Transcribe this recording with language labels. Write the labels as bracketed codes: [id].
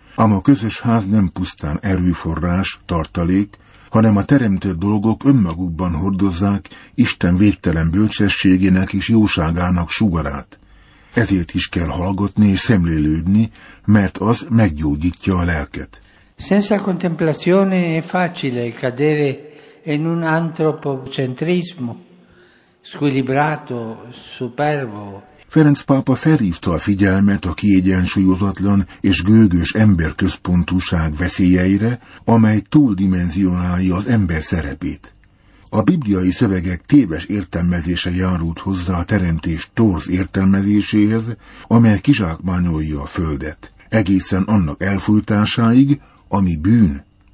[hu] Ám a közös ház nem pusztán erőforrás, tartalék, hanem a teremtett dolgok önmagukban hordozzák Isten végtelen bölcsességének és jóságának sugarát. Ezért is kell hallgatni és szemlélődni, mert az meggyógyítja a lelket. [it] Senza contemplazione è facile cadere in un antropocentrismo squilibrato, superbo. [hu] Ferenc pápa felhívta a figyelmet a kiegyensúlyozatlan és gőgös emberközpontúság veszélyeire, amely túldimenzionálja az ember szerepét. A bibliai szövegek téves értelmezése járult hozzá a teremtés torz értelmezéséhez, amely kizsákmányolja a földet, egészen annak elfújtásáig, ami bűn.